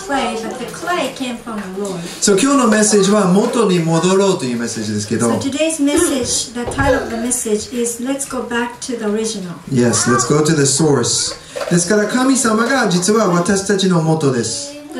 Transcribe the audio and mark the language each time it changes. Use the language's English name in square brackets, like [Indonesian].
[English] Actually, she made the ramen thing out of clay, but the clay came from the Lord. [Japanese] So 今日のメッセージは元に戻ろうというメッセージですけど、 [English] So today's message, the title of the message is Let's go back to the original. Yes, let's go to the source. [Japanese] ですから神様が実は私たちの元です。